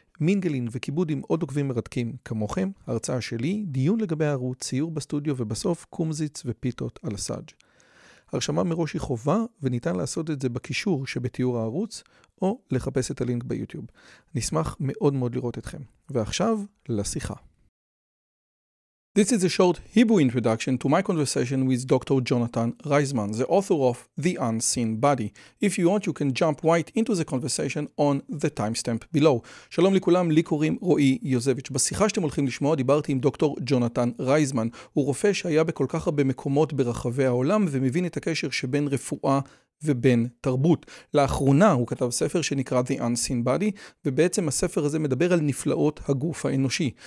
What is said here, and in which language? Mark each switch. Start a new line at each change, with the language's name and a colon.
Hebrew: מינגלין וכיבוד עם עוד עוקבים מרתקים כמוכם, הרצאה שלי, דיון לגבי הערוץ, ציור בסטודיו ובסוף קומזיץ ופיתות על הסאג'. הרשמה מראש היא חובה וניתן לעשות את זה בקישור שבתיאור הערוץ או לחפש את הלינק ביוטיוב. נשמח מאוד מאוד לראות אתכם. ועכשיו לשיחה.
English: This is a short Hebrew introduction to my conversation with Dr. Jonathan Reisman, the author of The Unseen Body. If you want, you can jump right into the conversation on the timestamp below.
Hebrew: שלום לכולם, לי קוראים רועי יוזביץ'. בשיחה שאתם הולכים לשמוע, דיברתי עם דוקטור ג'ונתן רייזמן. הוא רופא שהיה בכל כך הרבה מקומות ברחבי העולם ומבין את הקשר שבין רפואה ובין תרבות. לאחרונה הוא כתב ספר שנקרא The Unseen Body, ובעצם הספר הזה מדבר על נפלאות הגוף האנושי.